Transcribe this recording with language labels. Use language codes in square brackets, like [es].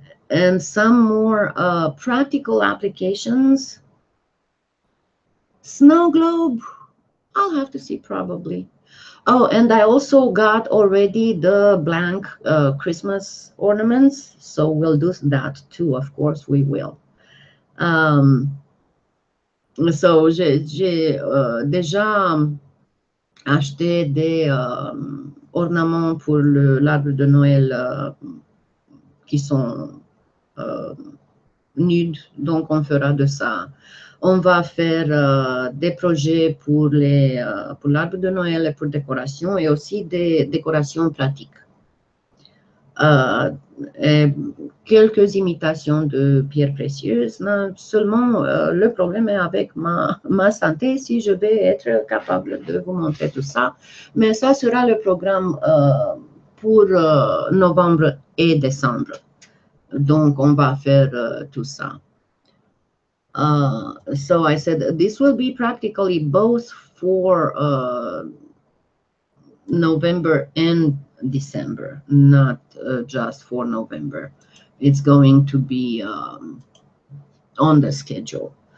[en] And some more practical applications. Snow globe, I'll have to see probably. Oh, and I also got already the blank Christmas ornaments. So we'll do that too, of course we will. [fr] So j'ai déjà acheté des ornements pour l'arbre de Noël qui sont nudes. Donc on fera de ça. On va faire des projets pour les pour l'arbre de Noël et pour décoration et aussi des décorations pratiques. Et quelques imitations de pierres précieuses. Non, seulement, le problème est avec ma santé, si je vais être capable de vous montrer tout ça. Mais ça sera le programme pour novembre et décembre. Donc, on va faire tout ça. [en] So I said, this will be practically both for November and December, not just for November. It's going to be on the schedule.